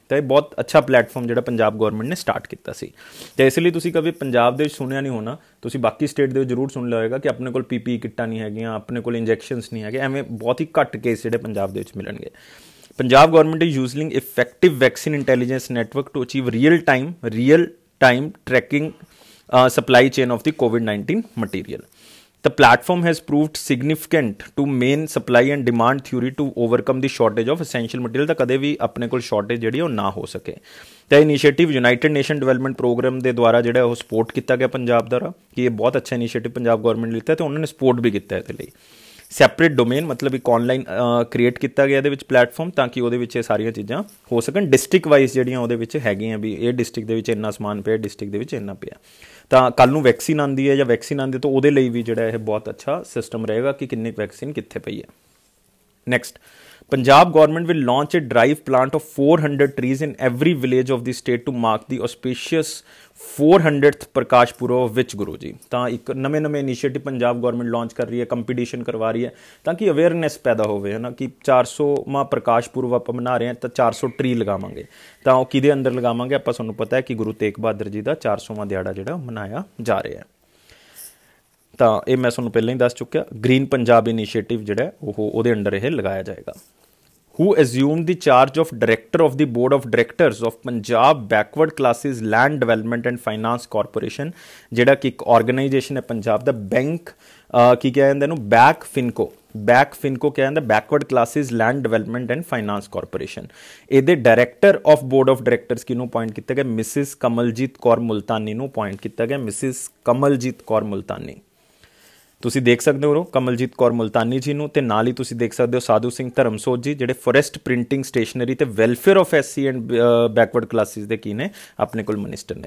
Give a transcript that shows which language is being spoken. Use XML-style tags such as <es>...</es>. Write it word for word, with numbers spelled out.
<pa>ਤਾਂ ਇਹ ਬਹੁਤ ਅੱਛਾ ਪਲੇਟਫਾਰਮ ਜਿਹੜਾ ਪੰਜਾਬ ਗੌਰਮੈਂਟ ਨੇ ਸਟਾਰਟ ਕੀਤਾ ਸੀ। ਤੇ ਇਸ ਲਈ ਤੁਸੀਂ ਕਦੇ ਪੰਜਾਬ ਦੇ ਵਿੱਚ ਸੁਣਿਆ ਨਹੀਂ ਹੋਣਾ, ਤੁਸੀਂ ਬਾਕੀ ਸਟੇਟ ਦੇ ਵਿੱਚ ਜ਼ਰੂਰ ਸੁਣ ਲਿਆ ਹੋਏਗਾ ਕਿ ਆਪਣੇ ਕੋਲ ਪੀ ਪੀ ਈ ਕਿੱਟਾਂ ਨਹੀਂ ਹੈਗੀਆਂ, ਆਪਣੇ ਕੋਲ ਇੰਜੈਕਸ਼ਨਸ ਨਹੀਂ ਹੈਗੇ। ਐਵੇਂ ਬਹੁਤ ਹੀ ਘੱਟ ਕੇਸ ਜਿਹੜੇ ਪੰਜਾਬ ਦੇ ਵਿੱਚ ਮਿਲਣਗੇ।</pa> <en>Punjab government is using effective vaccine intelligence network to achieve real time real time tracking supply chain of the COVID nineteen material. The platform has proved significant to main supply and demand theory to overcome the shortage of essential material।</en> <pa>ਤਾਂ ਕਦੇ ਵੀ ਆਪਣੇ ਕੋਲ shortage ਜਿਹੜੀ ਉਹ ਨਾ ਹੋ ਸਕੇ। ਤਾਂ initiative united nation development programme ਦੇ ਦੁਆਰਾ ਜਿਹੜਾ ਉਹ ਸਪੋਰਟ ਕੀਤਾ ਗਿਆ ਪੰਜਾਬ ਦੁਆਰਾ ਕਿ ਇਹ ਬਹੁਤ ਅੱਛਾ ਇਨੀਸ਼ੀਏਟਿਵ ਪੰਜਾਬ ਗੌਰਮੈਂਟ ਲਿੱਤਾ, ਤੇ ਉਹਨਾਂ ਨੇ ਸਪੋਰਟ ਵੀ ਕੀਤਾ ਇਹਦੇ ਲਈ। ਸੈਪਰੇਟ ਡੋਮੇਨ ਮਤਲਬ ਇੱਕ ਔਨਲਾਈਨ ਕ੍ਰੀਏਟ ਕੀਤਾ ਗਿਆ ਇਹਦੇ ਵਿੱਚ ਪਲੇਟਫਾਰਮ, ਤਾਂ ਕਿ ਉਹਦੇ ਵਿੱਚ ਇਹ ਸਾਰੀਆਂ ਚੀਜ਼ਾਂ ਹੋ ਸਕਣ। ਡਿਸਟ੍ਰਿਕਟ ਵਾਈਜ਼ ਜਿਹੜੀਆਂ ਉਹਦੇ ਵਿੱਚ ਹੈਗੀਆਂ ਵੀ ਇਹ ਡਿਸਟ੍ਰਿਕਟ ਦੇ ਵਿੱਚ ਇੰਨਾ ਸਮਾਨ ਪਿਆ, ਡਿਸਟ੍ਰਿਕਟ ਦੇ ਵਿੱਚ ਇੰਨਾ ਪਿਆ। ਤਾਂ ਕੱਲ੍ਹ ਨੂੰ ਵੈਕਸੀਨ ਆਉਂਦੀ ਹੈ ਜਾਂ ਵੈਕਸੀਨ ਆਉਂਦੀ ਹੈ ਤਾਂ ਉਹਦੇ ਲਈ ਵੀ ਜਿਹੜਾ ਇਹ ਬਹੁਤ ਅੱਛਾ ਸਿਸਟਮ ਰਹੇਗਾ ਕਿ ਕਿੰਨੀ ਵੈਕਸੀਨ ਕਿੱਥੇ ਪਈ ਹੈ।</pa> <en>Next, Punjab government will launch a drive plant of four hundred trees in every village of the state to mark the auspicious four hundredth Prakash Purab of ਵਿਚ ਗੁਰੂ ਜੀ।</en> <pa>ਤਾਂ ਇੱਕ ਨਵੇਂ ਨਵੇਂ ਇਨੀਸ਼ੀਏਟਿਵ ਪੰਜਾਬ ਗੌਰਮੈਂਟ ਲਾਂਚ ਕਰ ਰਹੀ ਹੈ, ਕੰਪੀਟੀਸ਼ਨ ਕਰਵਾ ਰਹੀ ਹੈ, ਤਾਂ ਕਿ ਅਵੇਅਰਨੈਸ ਪੈਦਾ ਹੋਵੇ, ਹੈ ਨਾ, ਕਿ ਚਾਰ ਸੌਵਾਂ ਪ੍ਰਕਾਸ਼ ਪੁਰਬ ਆਪਾਂ ਮਨਾ ਰਹੇ ਹਾਂ ਤਾਂ ਚਾਰ ਸੌ ਟਰੀ ਲਗਾਵਾਂਗੇ। ਤਾਂ ਉਹ ਕਿਹਦੇ ਅੰਦਰ ਲਗਾਵਾਂਗੇ? ਆਪਾਂ ਸਾਨੂੰ ਪਤਾ ਹੈ ਕਿ ਗੁਰੂ ਤੇਗ ਬਹਾਦਰ ਜੀ ਦਾ ਚਾਰ ਸੌਵਾਂ ਦਿਹਾੜਾ ਜਿਹੜਾ ਉਹ ਮਨਾਇਆ ਜਾ ਰਿਹਾ ਹੈ। ਤਾਂ ਇਹ ਮੈਂ ਤੁਹਾਨੂੰ ਪਹਿਲਾਂ ਹੀ ਦੱਸ ਚੁੱਕਿਆ। ਗ੍ਰੀਨ ਪੰਜਾਬ ਇਨੀਸ਼ੀਏਟਿਵ ਜਿਹੜਾ ਉਹ ਉਹਦੇ ਅੰਡਰ ਇਹ ਲਗਾਇਆ ਜਾਏਗਾ।</pa> <en>Who assumed the charge of director of the board of directors of Punjab backward classes land development and finance corporation,</en> <pa>ਜਿਹੜਾ ਕਿ ਇੱਕ ਆਰਗੇਨਾਈਜੇਸ਼ਨ ਹੈ ਪੰਜਾਬ ਦਾ, ਬੈਂਕ ਕੀ ਕਿਹਾ ਜਾਂਦਾ ਇਹਨੂੰ? ਬੈਕ ਫਿਨਕੋ। ਬੈਕ ਫਿਨਕੋ ਕਿਹਾ ਜਾਂਦਾ backward classes land development and finance corporation. ਇਹਦੇ director of board of directors ਕਿਹਨੂੰ ਅਪਾਇੰਟ ਕੀਤਾ ਗਿਆ? ਮਿਸਿਸ ਕਮਲਜੀਤ ਕੌਰ ਮੁਲਤਾਨੀ ਨੂੰ ਅਪਾਇੰਟ ਕੀਤਾ ਗਿਆ। ਮਿਸਿਸ ਕਮਲਜੀਤ ਕੌਰ ਮੁਲਤਾਨੀ ਤੁਸੀਂ ਦੇਖ ਸਕਦੇ ਹੋ ਕਮਲਜੀਤ ਕੌਰ ਮੁਲਤਾਨੀ ਜੀ ਨੂੰ, ਤੇ ਨਾਲ ਹੀ ਤੁਸੀਂ ਦੇਖ ਸਕਦੇ ਹੋ ਸਾਧੂ ਸਿੰਘ ਧਰਮਸੋਤ ਜੀ ਜਿਹੜੇ ਫੋਰੈਸਟ ਪ੍ਰਿੰਟਿੰਗ ਸਟੇਸ਼ਨਰੀ ਤੇ welfare of SC and backward classes ਦੇ ਕੀ ਨੇ ਆਪਣੇ ਕੋਲ ਮਿਨਿਸਟਰ ਨੇ।</pa>